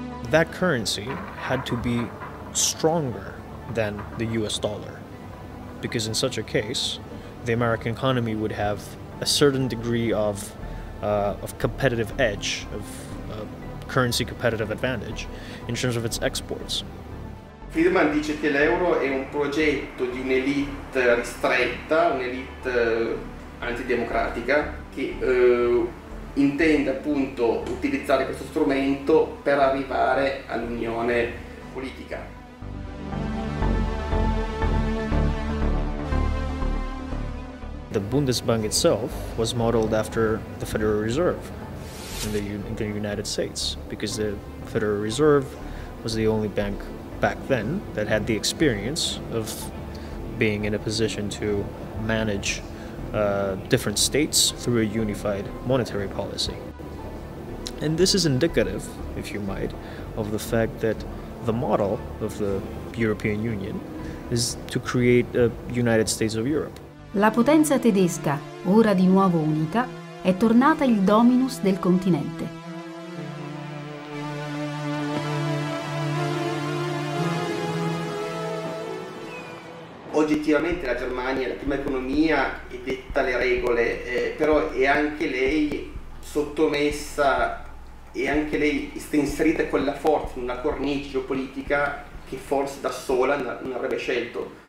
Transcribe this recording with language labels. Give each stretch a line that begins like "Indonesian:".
English: That currency had to be stronger than the US dollar, because in such a case, the American economy would have a certain degree of competitive edge, of currency competitive advantage in terms of its exports.
Italian: Friedman dice che l'euro è un progetto di un'elite ristretta, un'elite antidemocratica, che intende appunto utilizzare questo strumento per arrivare all'unione politica.
English: The Bundesbank itself was modeled after the Federal Reserve in the United States, because the Federal Reserve was the only bank back then that had the experience of being in a position to manage different states through a unified monetary policy. And this is indicative, if you might, of the fact that the model of the European Union is to create a United States of Europe.
Italian: La potenza tedesca, ora di nuovo unita, è tornata il dominus del continente. Oggettivamente la Germania è la prima economia e detta le regole, però è anche lei sottomessa e anche lei inserita con la forza in una cornice geopolitica che forse da sola non avrebbe scelto.